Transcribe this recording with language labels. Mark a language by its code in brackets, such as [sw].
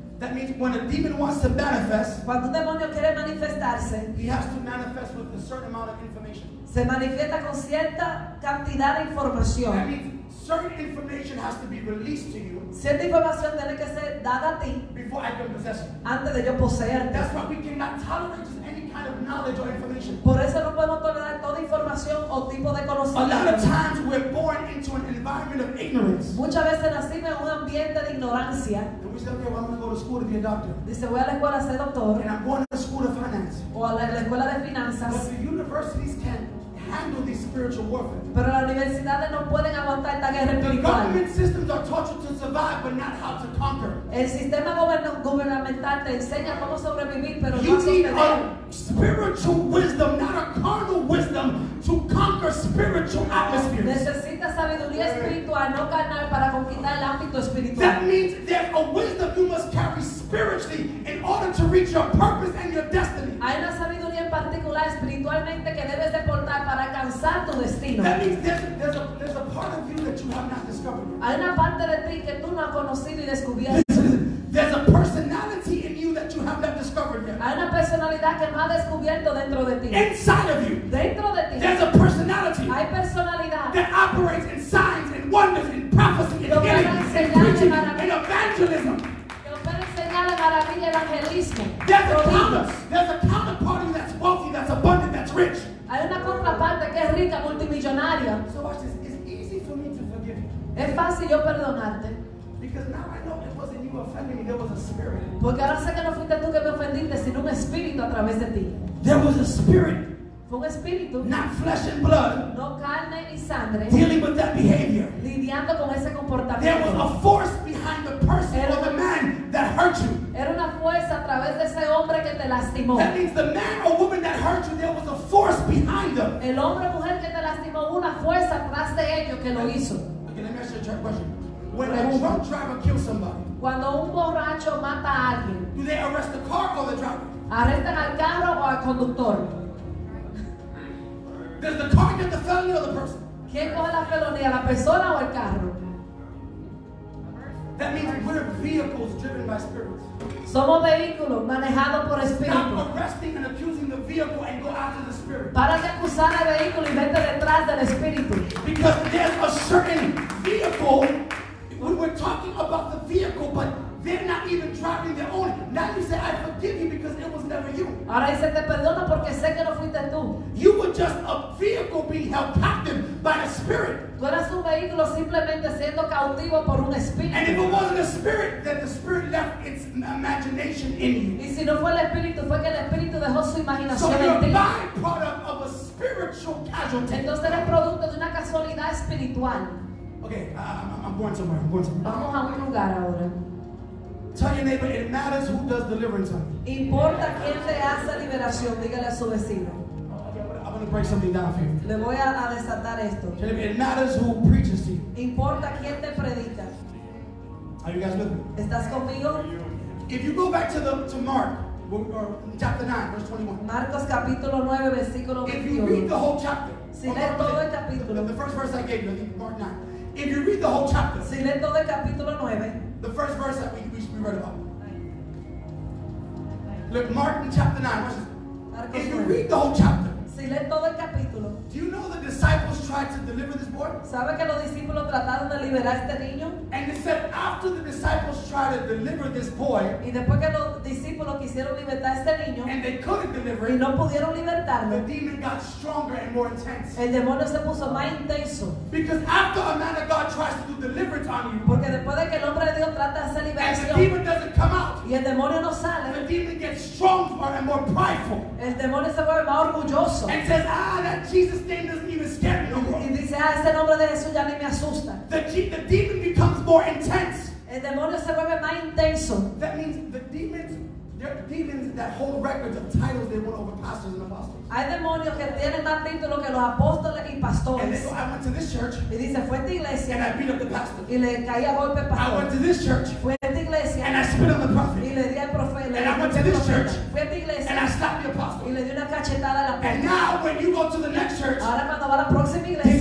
[en] That means when a demon wants to manifest, [es] cuando un demonio quiere manifestarse, [en] he has to manifest with a certain amount of information. [es] Se manifiesta con cierta cantidad de información. [en] That means certain information has to be released to you. [es] Cierta información tiene que ser dada a ti. [en] Before I can possess you. [es] Antes de yo poseerte. [en] That's why we cannot tolerate just any kind of knowledge or information. [es] Por eso no podemos tolerar toda información o tipo de conocimiento. [en] A lot of times we're born into an environment of ignorance. [es] Muchas veces nacimos en un ambiente de ignorancia. [en] And we say, okay, well, I'm going to go to school to be a doctor. [es] Dice, voy a la escuela a ser doctor. [en] And I'm going to the school of finance. [es] O a la escuela de finanzas. [en] But the universities can handle this spiritual warfare. [es] Pero las universidades no pueden aguantar esta guerra espiritual. [en] The government systems are taught you to survive, but not how to conquer. [es] El sistema gubernamental te enseña cómo sobrevivir, pero no cómo vencer. [en] You need a spiritual wisdom, not a carnal wisdom, to conquer spiritual atmospheres. [es] Necesitas sabiduría espiritual, no carnal, para conquistar el ámbito espiritual. [en] That means there's a wisdom you must carry spiritually in order to reach your purpose and your destiny. [es] Hay una sabiduría en particular espiritualmente que debes de portar para alcanzar tu destino. [en] That means there's a part of you that you have not discovered. [es] Hay una parte de ti que tú no has conocido y descubierto. [en] There's a personality in you that you have not discovered yet. [es] Hay una personalidad que no ha descubierto dentro de ti. [en] Inside of you. [es] Dentro de ti. [en] There's a personality. [es] Hay personalidad. [en] That operates in signs and wonders and prophecy and healings and preaching and evangelism. There's a counterpart of you that's wealthy, that's abundant, that's rich. [es] Hay una contraparte que es rica, multimillonaria. [en] So watch this. It's easy for me to forgive you. [es] Es fácil yo perdonarte. [en] Because now I know it wasn't you offending me, there was a spirit. [es] Porque ahora sé que no fuiste tú que me ofendiste, sino un espíritu a través de ti. [en] There was a spirit. [es] Fue un espíritu. [en] Not flesh and blood. [es] No carne ni sangre. [en] Dealing with that behavior. [es] Lidiando con ese comportamiento. [en] There was a force behind the person or the man that hurt you. [es] Era una fuerza a través de ese hombre que te lastimó. [en] That means the man or woman that hurt you, there was a force behind them. [es] El hombre o mujer que te lastimó, una fuerza atrás de ellos que lo hizo. [en] Okay, let me ask you a question. When a drunk driver kills somebody, [es] cuando un borracho mata a alguien, [en] do they arrest the car or the driver? [es] ¿Arrestan al carro o al conductor? [en] Does the car get the felony or the person? [es] ¿Quién coge la felonía, la persona o el carro? [en] That means we're vehicles driven by spirits. [es] Somos vehículos manejados por espíritus. [en] Stop arresting and accusing the vehicle and go after the spirit. [es] Para de acusar al vehículo y vete detrás del espíritu. [en] Because there's a certain vehicle. When we're talking about the vehicle, but they're not even driving their own. Now you say, I forgive you because it was never you. [es] Ahora dice, te perdono porque sé que no fuiste tú. [en] You were just a vehicle being held captive by a spirit. [es] Tú eras un vehículo simplemente siendo cautivo por un espíritu. [en] And if it wasn't a spirit, then the spirit left its imagination in you. [es] Y si no fue el espíritu, fue que el espíritu dejó su imaginación en ti. [en] So you're a byproduct of a spiritual casualty. [es] Entonces eres producto de una casualidad espiritual. [en] Okay, I'm going somewhere. Tell your neighbor, it matters who does deliverance on you. [es] Importa quién te hace liberación, dígale a su vecino. [en] Okay, I'm going to break something down for you. [es] Le voy a desatar esto. [en] Tell your neighbor, it matters who preaches to you. [es] Importa quién te predica. [en] Are you guys with me? [es] ¿Estás conmigo? [en] If you go back to Mark, or chapter 9, verse 21. [es] Marcos capítulo 9, versículo 21. [en] If you read the whole chapter. [es] Si lees todo el capítulo. [en] The first verse I gave you, Mark 9. If you read the whole chapter, [es] si lees todo el capítulo 9, [en] the first verse that we read about. Look, Mark chapter 9. If you read the whole chapter, [es] Si lee todo el capítulo. [en] Do you know the disciples tried to deliver this boy? [es] ¿Sabe que los discípulos trataron de liberar este niño? [en] And it said after the disciples tried to deliver this boy, [es] y después que los discípulos quisieron libertar este niño, [en] and they couldn't deliver [es] y no pudieron libertarlo, [en] the demon got stronger and more intense. [es] El demonio se puso más intenso. [en] Because after a man of God tries to do deliverance on you, [es] porque después de que el hombre de Dios trata de hacer liberación, [en] and the demon doesn't come out, [es] y el demonio no sale, [en] the demon gets stronger and more prideful. [es] El demonio se vuelve más orgulloso. [en] And says, ah, that Jesus name doesn't even scare me no more. [es] Y dice, ah, ese nombre de Jesús ya ni me asusta. [en] The demon becomes more intense. [es] El demonio se vuelve más intenso. [en] That means the demons, there are demons that hold records of titles they won over pastors and apostles. [es] Hay demonios que tienen más títulos que los apóstoles y pastores. [en] And they go, I went to this church. [es] Y dice, fue esta iglesia. [en] And I beat up the pastor. [es] Y le caí a golpe al pastor. [en] I went to this church. [es] Fue esta iglesia. [en] And I spit on the prophet. [es] Y le di al profeta. [en] And I went to this church. [es] Fue esta iglesia. [en] And I slapped the apostle. [es] Y le di una cachetada a la pastora. And now when you go to the next church. Ahora cuando va a la próxima iglesia.